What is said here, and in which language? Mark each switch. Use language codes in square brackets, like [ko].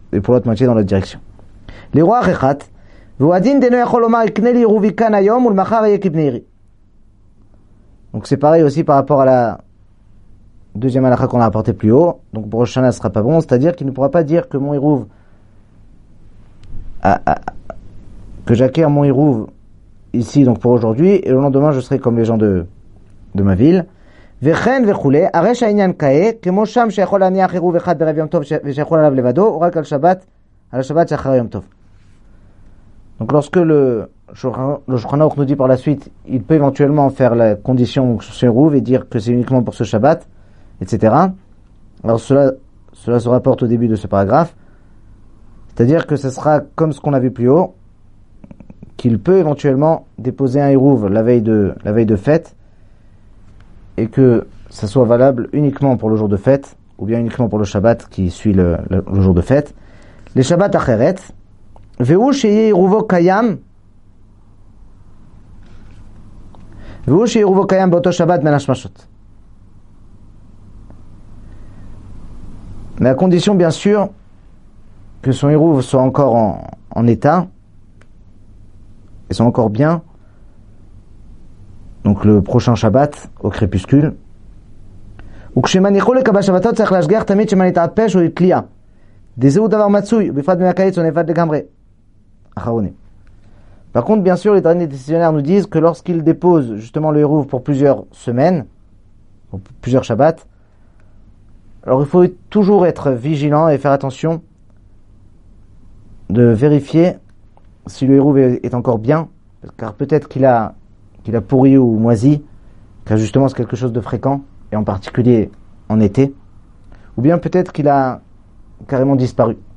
[fr] et pour l'autre moitié dans l'autre direction. Les rois rechat, donc c'est pareil aussi par rapport à la deuxième halakha qu'on a rapporté plus haut. Donc pour Rosh Hashanah, ce sera pas bon, c'est-à-dire qu'il ne pourra pas dire que mon Hirouv que j'acquiers mon Hirouv ici, donc pour aujourd'hui, et le lendemain je serai comme les gens de ma ville. [he] וכן וכולי, הרי שהעניין כאה, כמו שם שיכול להניח עירוב אחד ברב יום טוב ושיכול עליו לבדו, הוא רק על שבת, על השבת שאחר יום טוב. [fr] Donc lorsque le Shulchan Aruch nous dit par la suite, il peut éventuellement faire la condition sur ce Hirouv et dire que c'est uniquement pour ce Shabbat, etc. Alors cela se rapporte au début de ce paragraphe. C'est-à-dire que ce sera comme ce qu'on a vu plus haut, qu'il peut éventuellement déposer un Hirouv la veille de fête et que ça soit valable uniquement pour le jour de fête ou bien uniquement pour le Shabbat qui suit le jour de fête. [he] Les Shabbat Acheret, והוא שיהיה עירובו קיים באותו שבת בין השמשות. [fr] La condition, bien sûr, que son עירוב soit encore en état, et soit encore bien, donc le prochain שבת, au crépuscule. [he] וכשמניחו לקבל שבתות צריך להשגיח תמיד שמא נתעפש או יתליע. דזהו דבר מצוי, בפרט מהקיץ הוא נאבד לגמרי. [fr] Par contre, bien sûr, les derniers décisionnaires nous disent que lorsqu'ils déposent justement le hérouv pour plusieurs semaines, ou plusieurs Shabbats, alors il faut toujours être vigilant et faire attention de vérifier si le hérouv est encore bien, car peut-être qu'il a pourri ou moisi, car justement c'est quelque chose de fréquent, et en particulier en été, ou bien peut-être qu'il a carrément disparu.